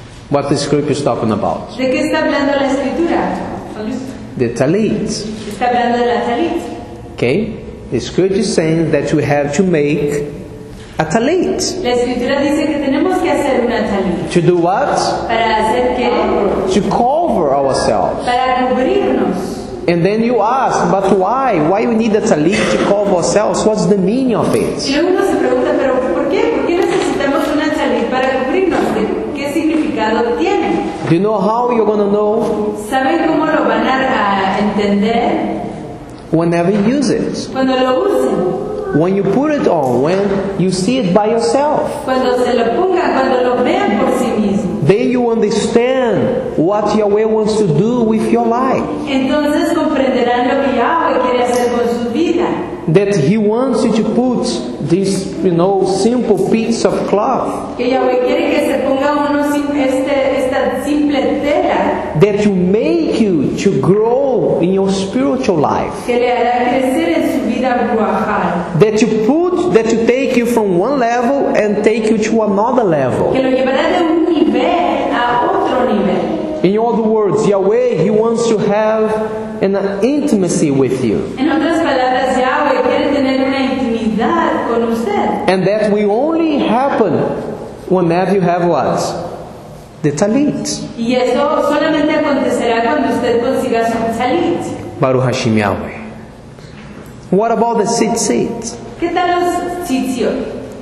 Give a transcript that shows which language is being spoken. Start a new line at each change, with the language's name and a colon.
English: What the scripture is talking about?
Spanish: ¿De qué está hablando la escritura?
English: The talit.
Spanish: Está hablando de la talit.
English: Okay. The scripture is saying that we have to make a talit.
Spanish: La escritura dice que tenemos que hacer una talit.
English: To do what?
Spanish: Para hacer qué?
English: To cover ourselves.
Spanish: Para cubrirnos.
English: And then you ask, but why? Why we need a talit to cover ourselves? What's the meaning of it?
Spanish: Y luego uno se pregunta, pero ¿por qué? ¿Por qué necesitamos una talit para cubrirnos? ¿Qué significado tiene?
English: Do you know how you're going to know?
Spanish: ¿Saben cómo lo van a entender?
English: Whenever you use it.
Spanish: Cuando lo use.
English: When you put it on, when you see it by yourself.
Spanish: Cuando se lo ponga, cuando lo vean por sí mismo.
English: Then you understand what Yahweh wants to do with your life.
Spanish: Entonces comprenderán lo que Yahweh quiere hacer con su vida.
English: That He wants you to put this, you know, simple piece of cloth.
Spanish: Que Yahweh quiere que se ponga uno esta simple tela.
English: That will make you to grow in your spiritual life.
Spanish: Que le hará crecer en su vida ruajal.
English: That you take you from one level and take you to another level.
Spanish: Que lo llevará de un nivel a otro nivel.
English: In other words, Yahweh, He wants to have and an intimacy with you.
Spanish: En otras palabras, Yahweh quiere tener una intimidad con usted.
English: And that will only happen whenever you have what? The talit.
Spanish: Y eso solamente acontecerá cuando usted consiga su talit.
Hebrew: Baruch Hashem Yahweh.
English: What about the tzitzit?
Spanish: ¿Qué tal los tzitzit?